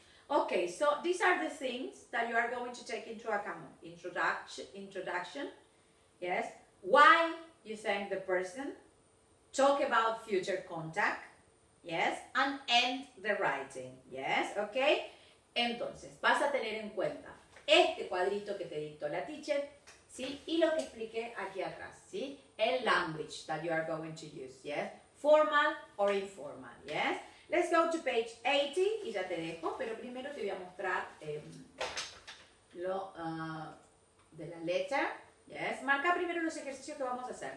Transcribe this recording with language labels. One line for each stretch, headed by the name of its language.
English: Okay, so these are the things that you are going to take into account. Introduction, yes? Why you thank the person, talk about future contact, yes? And end the writing, yes? Okay?
Spanish: Entonces, vas a tener en cuenta este cuadrito que te dictó la teacher, ¿sí? Y lo que expliqué aquí atrás, ¿sí?
English: El language that you are going to use, yes? Formal or informal, yes? Let's go to page 80
Spanish: y ya te dejo, pero primero te voy a mostrar de la letra. Yes, marca primero los ejercicios que vamos a hacer.